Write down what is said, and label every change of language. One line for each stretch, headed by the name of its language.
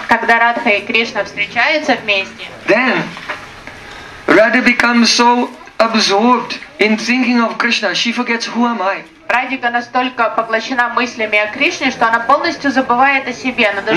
Russian: когда Радха и Кришна встречаются вместе,
English: then Radha becomes so absorbed in thinking of Krishna, she forgets who am I.
Russian: Радика настолько поглощена мыслями о Кришне, что она полностью забывает о себе.